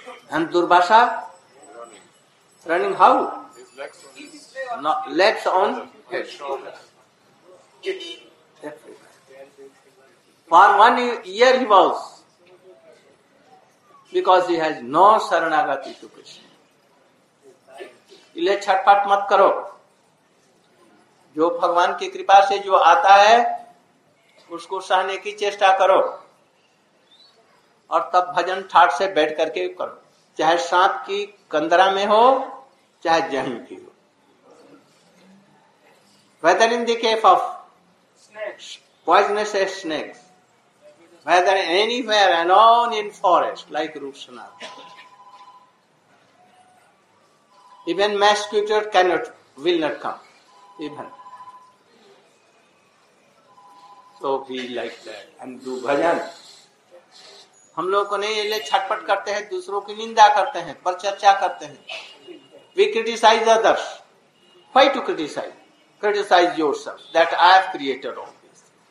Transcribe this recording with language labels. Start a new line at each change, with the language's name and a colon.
English: And Durvasa running how? His legs on his, no, legs on For 1 year he was, because he has no saranagati to Krishna.
Hindi: इले छटपट मत करो, जो भगवान की कृपा से जो आता है उसको सहने की चेष्टा करो और तब भजन ठाट से बैठ करके करो, चाहे सांप की कंदरा में हो चाहे जहीं की हो।
English: Whether in the cave of poisonous snakes, whether anywhere alone in forest like Rupsana, even mosquito cannot, will not come, even. So be like that and do bhajan.
Hindi: हम लोगों को नहीं, इसलिए छटपट करते हैं, दूसरों की निंदा करते हैं, पर चर्चा करते हैं।
English: We criticize others. Why to criticize? Criticize yourself that I have created all this.